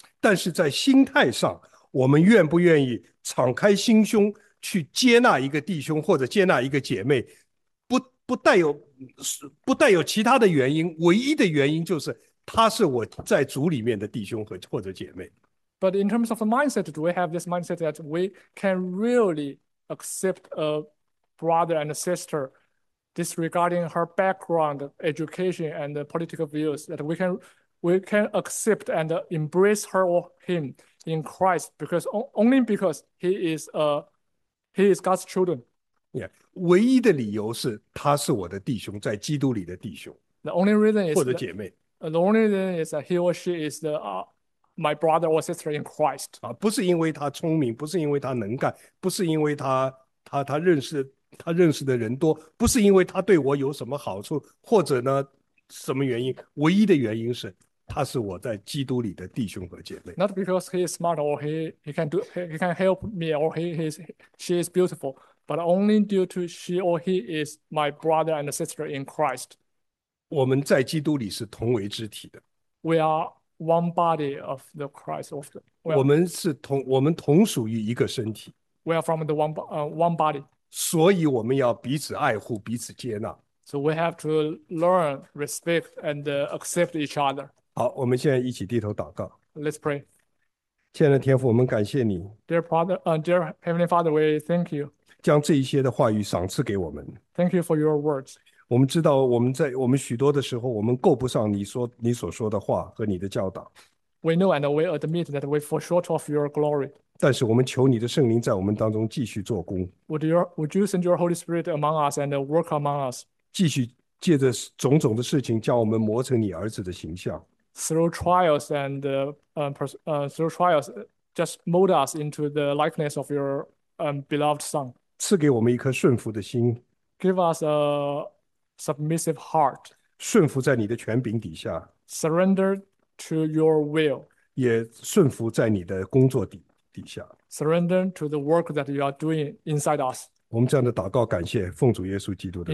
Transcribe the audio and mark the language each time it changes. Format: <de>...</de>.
<zh>但是在心态上，我们愿不愿意敞开心胸去接纳一个弟兄或者接纳一个姐妹，不带有其他的原因，唯一的原因就是他是我在主里面的弟兄或者姐妹。</zh> <en>But in terms of the mindset, do we have this mindset that we can really accept a brother and a sister, disregarding her background, education, and political views, that we can accept and embrace her or him in Christ because only because he is God's children.</en> <zh>Yeah，唯一的理由是他是我的弟兄，在基督里的弟兄或者姐妹。</zh> <en>The only reason is that he or she is the my brother or sister in Christ.</en> <zh>啊，不是因为他聪明，不是因为他能干，不是因为他认识的人多，不是因为他对我有什么好处，或者呢，什么原因？唯一的原因是他是我在基督里的弟兄和姐妹。</zh> <en>Not because he is smart or he can help me or she is beautiful, but only due to she or he is my brother and sister in Christ.</en> <zh>我们在基督里是同为肢体的，</zh> <en>We are one body of the Christ of the well.</en> <zh>我们同属于一个身体，</zh> <en>We are from the one body.</en> <zh>所以我们要彼此爱护，彼此接纳。</zh> <en>So we have to learn, respect, and accept each other.</en> <zh>好，我们现在一起低头祷告。</zh> <en>Let's pray.</en> <zh>亲爱的天父，我们感谢你，</zh> <en>Dear Heavenly Father, we thank you.</en> <zh>将这一些的话语赏赐给我们。</zh> <en>Thank you for your words.</en> <zh>我们知道，我们许多的时候，我们够不上你所说的话和你的教导。</zh> <en>We know and we admit that we fall short of your glory.</en> <zh>但是，我们求你的圣灵在我们当中继续做工，</zh> <en>Would you send your Holy Spirit among us and work among us?</en> <zh>继续借着种种的事情，将我们磨成你儿子的形象。</zh> <en>Through trials, just mold us into the likeness of your beloved Son.</en> <zh>赐给我们一颗顺服的心。</zh> <en>Give us a submissive heart.</en> <zh>顺服在你的权柄底下，</zh> <en>Surrender to your will.</en> <zh>也顺服在你的工作底下。</zh> <en>Surrender to the work that you are doing inside us.</en> <zh>我们这样的祷告，感谢奉主耶稣基督的</zh>